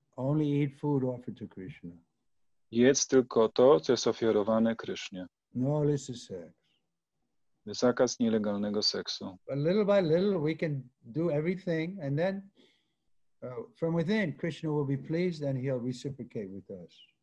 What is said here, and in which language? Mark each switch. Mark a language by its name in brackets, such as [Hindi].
[English] Only eat food offered to Krishna. [Polish] Jedz tylko to, co jest ofiarowane Krishnie. [English] No illicit sex. [Polish] Zakaz nielegalnego seksu. [English] But little by little we can do everything and then from within, Krishna will be pleased and he'll reciprocate with us.